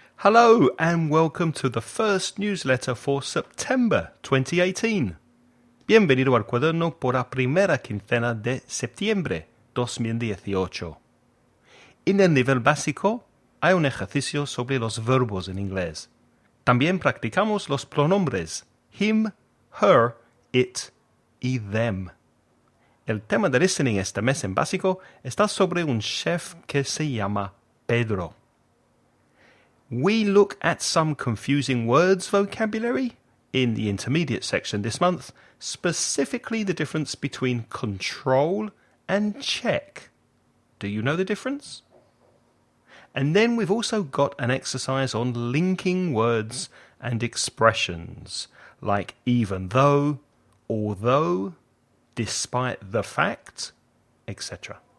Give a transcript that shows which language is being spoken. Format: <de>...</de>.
<en>Hello and welcome to the first newsletter for September 2018.</en> <es>Bienvenido al cuaderno por la primera quincena de septiembre 2018. En el nivel básico hay un ejercicio sobre los verbos en inglés. También practicamos los pronombres him, her, it y them. El tema de listening este mes en básico está sobre un chef que se llama Pedro.</es> <en>We look at some confusing words vocabulary in the intermediate section this month, specifically the difference between control and check. Do you know the difference? And then we've also got an exercise on linking words and expressions, like even though, although, despite the fact, etc.</en>